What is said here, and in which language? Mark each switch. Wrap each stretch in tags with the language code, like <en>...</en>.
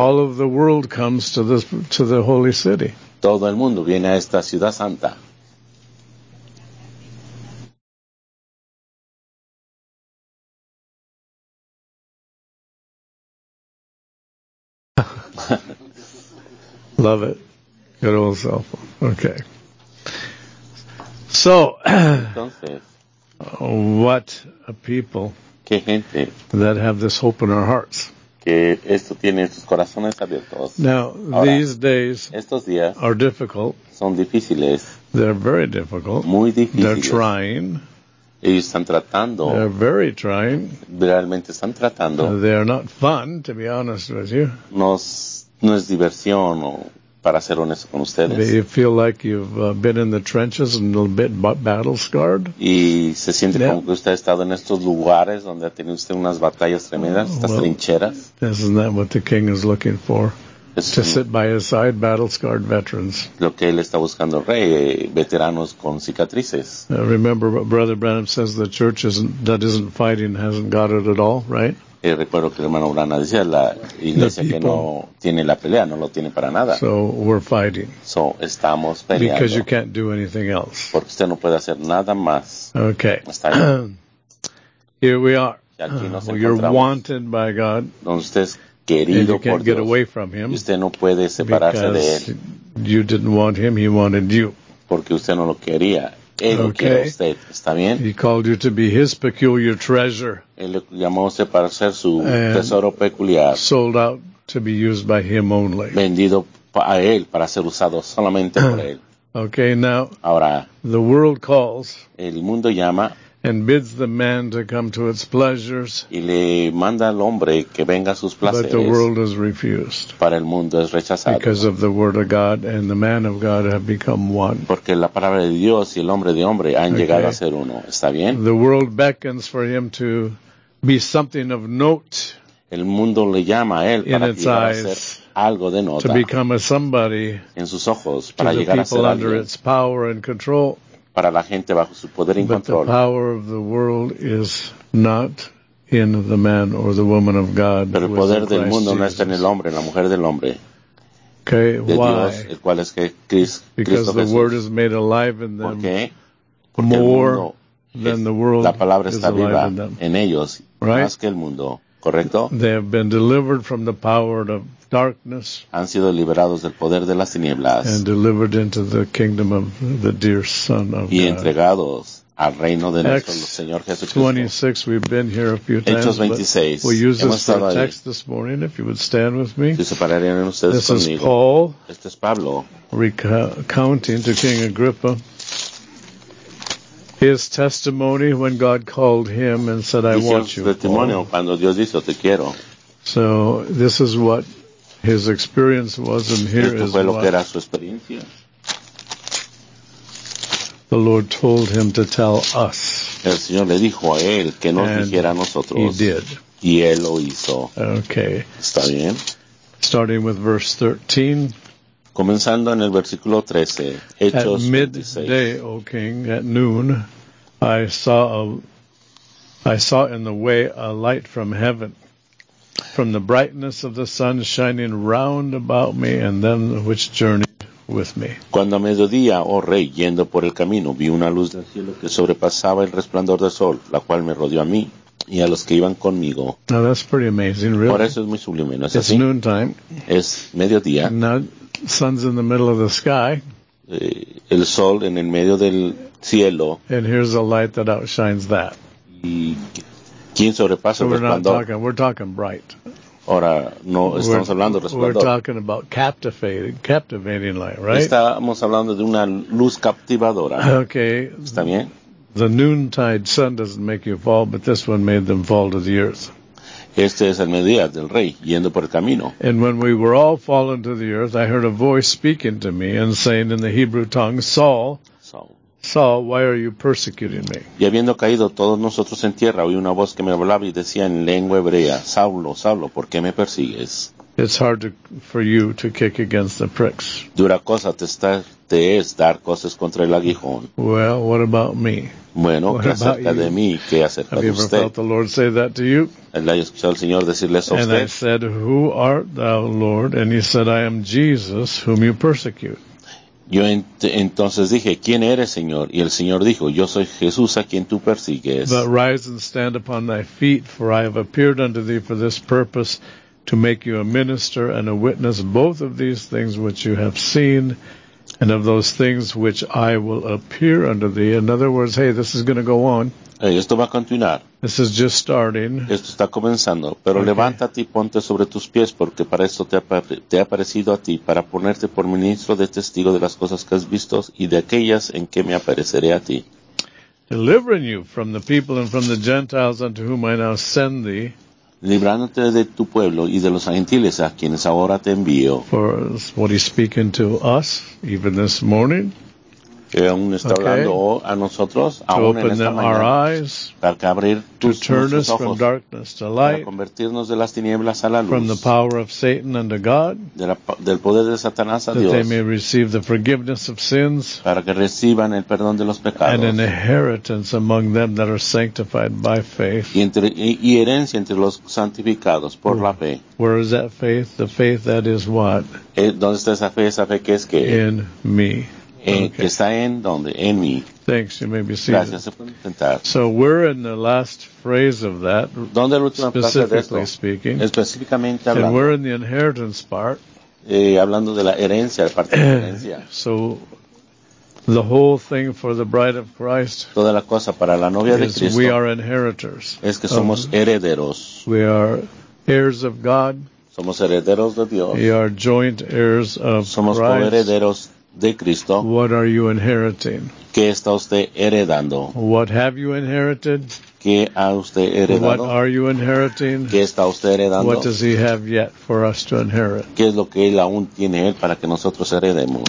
<en>All of the world comes to the holy city.</en> <es>Todo el mundo viene a esta ciudad santa.</es> <en>Love it. Good old cell phone. Okay. So, what a people</en> <es>que gente</es> <en>that have this hope in our hearts.</en> <es>Que esto tiene sus corazones abiertos.</es> <en>Now,</en> <es>ahora,</es> <en>these days</en> <es>estos días</es> <en>are difficult.</en> <es>Son difíciles.</es> <en>They're very difficult.</en> <es>Muy difíciles.</es> <en>They're trying.</en> <es>Ellos están tratando.</es> <en>They're very trying.</en> <es>Realmente están tratando.</es> <en>They're not fun, to be honest with you.</en> <es>No es diversión o... Para ser honesto con ustedes.</es> <en>You feel like you've been in the trenches and a little bit battle scarred.</en> <es>Y se siente yeah. Como que usted ha estado en estos lugares donde ha tenido usted unas batallas tremendas, estas</es> <en>well,</en> <es>trincheras.</es> <en>Isn't that what the king is looking for?</en> <es>Es</es> <en>to sit by his side, battle scarred veterans.</en> <es>Lo que él está buscando, rey, veteranos con cicatrices.</es> <en>Remember what Brother Branham says, the church isn't, that isn't fighting hasn't got it at all, right?</en> <es>Y recuerdo que el hermano Urana decía, la iglesia que no tiene la pelea, no lo tiene para nada.</es> <en>So, we're fighting. So,</en> <es>estamos peleando.</es> <en>Because you can't do anything else.</en> <es>Porque usted no puede hacer nada más.</es> <en>Okay.</en> <es>Está ahí.</es> <en>Here we are.</en> <es>Y aquí nos encontramos.</es> <en>You're wanted by God.</en> <es>Donde usted es querido</es> <en>and you can't</en> <es>por Dios.</es> <en>Get away from him</en> <es>y usted no puede separarse</es> <en>because</en> <es>de él.</es> <en>You didn't want him, he wanted you.</en> <es>Porque usted no lo quería. Él</es> <en>okay.</en> <es>Quiere usted. ¿Está bien?</es> <en>He called you to be his peculiar treasure.</en> <es>Él le llamó a usted para ser su tesoro peculiar.</es> <en>Sold out to be used by him only.</en> <es>Vendido a él para ser usado solamente por él.</es> <en>Okay, now,</en> <es>ahora,</es> <en>the world calls</en> <es>el mundo llama,</es> <en>and bids the man to come to its pleasures.</en> <es>Y le manda al hombre que venga a sus placeres.</es> <en>But the world is refused.</en> <es>Para el mundo es rechazado.</es> <en>Because of the word of God and the man of God have become one.</en> <es>Porque la palabra de Dios y el hombre de hombre han okay. Llegado a ser uno. ¿Está bien?</es> <en>The world beckons for him to be something of note.</en> <es>El mundo le llama a él para llegar a ser algo de nota.</es> <en>To become a somebody.</en> <es>En sus ojos para llegar a ser alguien.</es> <en>Under its power and control.</en> <es>Para la gente bajo su poder y control.</es> <en>But the power of the world is not in the man or the woman of God.</en> <es>Pero el poder del mundo no está en el hombre, en la mujer del hombre.</es> <en>Okay,</en> <es>de Dios, el cual es que Cristo</es> <en>because</en> <es>Jesús.</es> <en>The word is made alive in them.</en> <es>Porque</es> <en>more than the world</en> <es>la palabra</es> <en>is</en> <es>está viva</es> <en>alive in them.</en> <es>En ellos,</es> <en>right?</en> <es>Más que el mundo. ¿correcto?</es> <en>They have been delivered from the power of darkness.</en> <es>Han sido liberados del poder de las tinieblas.</es> <en>And delivered into the kingdom of the dear Son of</en> <es>God. Y entregados al reino de nuestro Señor Jesucristo.</es> <en>Acts 26, we've been here a few times.</en> <es>Hechos 26.</es> <en>We'll use this for a text this morning, if you would stand with me.</en> <es>Si se pararían ustedes conmigo.</es> <en>This is Paul.</en> <es>Este es Pablo.</es> <en>Recounting to King Agrippa his testimony when God called him and said, I want you.</en> <es>Testimonio cuando Dios dijo, te quiero.</es> <en>So this is what his experience was, and here</en> <es>esto</es> <en>is</en> <es>fue lo</es> <en>what</en> <es>que era su experiencia.</es> <en>The Lord told him to tell us.</en> <es>El Señor le dijo a él que nos dijera a nosotros.</es> <en>He did.</en> <es>Y él lo hizo.</es> <en>Okay.</en> <es>Está bien.</es> <en>Starting with verse 13.</en> <es>Comenzando en el versículo 13, Hechos 26.</es> <en>At midday, O king, at noon, I saw in the way a light from heaven, from the brightness of the sun shining round about me, and then which journeyed with me.</en> <es>Cuando a mediodía, oh rey, yendo por el camino, vi una luz del cielo que sobrepasaba el resplandor del sol, la cual me rodeó a mí y a los que iban conmigo.</es> <en>Now that's pretty amazing, really.</en> <es>Por eso es muy sublime, ¿no es así?</es> <en>Noontime.</en> <es>Es mediodía.</es> <en>Sun's in the middle of the sky.</en> <es>El sol en el medio del cielo.</es> <en>And here's a light that outshines that.</en> <es>Y quién sobrepasa el resplandor.</es> <en>We're talking bright.</en> <es>Ahora no estamos hablando resplandor.</es> <en>We're talking about captivating light, right?</en> <es>Estamos hablando de una luz captivadora.</es> <en>Okay.</en> <es>¿Está bien?</es> <en>The noontide sun doesn't make you fall, but this one made them fall to the earth.</en> <es>Este es el mediodía del rey, yendo por el camino.</es> <en>And when we were all fallen to the earth, I heard a voice speaking to me and saying in the Hebrew tongue, Saul, why are you persecuting me?</en> <es>Y habiendo caído todos nosotros en tierra, oí una voz que me hablaba y decía en lengua hebrea, Saulo, Saulo, ¿por qué me persigues?</es> <en>It's hard for you to kick against the pricks.</en> <es>Dura cosa te es dar cosas contra el aguijón.</es> <en>Well, what about me?</en> <es>Bueno, ¿qué acerca de mí? ¿Qué acerca de usted?</es> <en>Have you ever felt the Lord say that to you?</en> <es>¿Le has escuchado al Señor decirle eso a usted?</es> <en>And I said, who art thou, Lord? And he said, I am Jesus, whom you persecute.</en> <es>Yo entonces dije, ¿quién eres, Señor? Y el Señor dijo, yo soy Jesús a quien tú persigues.</es> <en>But rise and stand upon thy feet, for I have appeared unto thee for this purpose, to make you a minister and a witness both of these things which you have seen, and of those things which I will appear unto thee. In other words, hey, this is going to go on.</en> <es>Hey, esto va a continuar.</es> <en>This is just starting.</en> <es>Esto está comenzando. Pero okay. Levántate y ponte sobre tus pies, porque para esto te ha aparecido a ti, para ponerte por ministro de testigo de las cosas que has visto y de aquellas en que me apareceré a ti.</es> <en>Delivering you from the people and from the Gentiles unto whom I now send thee.</en> <es>Librándote de tu pueblo y de los gentiles a quienes ahora te envío.</es> <en>For what he's speaking to us, even this morning.</en> <es>Que aún está okay. Hablando a nosotros,</es> <en>to</en> <es>aún</es> <en>open</en> <es>en esta mañana.</es> <en>Our eyes,</en> <es>para que abrir</es> <en>to</en> <es>tus,</es> <en>turn</en> <es>nuestros</es> <en>us</en> <es>ojos.</es> <en>From darkness to light,</en> <es>para convertirnos de las tinieblas a la luz.</es> <en>From the power of Satan unto God.</en> <es>Del poder de Satanás a</es> <en>that</en> <es>Dios.</es> <en>They may receive the forgiveness of sins,</en> <es>para que reciban el perdón de los pecados.</es> <en>And an inheritance among them that are sanctified by faith.</en> <es>Y herencia entre los santificados por la fe.</es> <en>Where is that faith? The faith that is what?</en> <es>¿Dónde está esa fe? ¿Esa fe qué es qué?</es> <en>In me.</en> <es>Okay. Está en donde? En mí.</es> <en>Thanks, you may be seated.</en> <es>Gracias, sentar.</es> <en>So we're in the last phrase of that,</en> <es>¿dónde la última</es> <en>specifically</en> <es>frase de</es> <en>speaking.</en> <es>Específicamente hablando.</es> <en>And we're in the inheritance part.</en> <es>Hablando de la herencia, la parte de la herencia.</es> <en>So the whole thing for the bride of Christ,</en> <es>toda la cosa para la novia de Cristo,</es> <en>we are inheritors.</en> <es>Es que somos herederos.</es> <en>We are heirs of God.</en> <es>Somos herederos de Dios.</es> <en>We are joint heirs of</en> <es>somos</es> <en>Christ.</en> <es>Somos coherederos de Cristo.</es> <en>What are you inheriting?</en> <es>¿Qué está usted heredando?</es> <en>What have you inherited?</en> <es>¿Qué ha usted heredado?</es> <en>What are you inheriting?</en> <es>¿Qué está usted heredando?</es> <en>What does he have yet for us to inherit?</en> <es>¿Qué es lo que él aún tiene él para que nosotros heredemos?</es>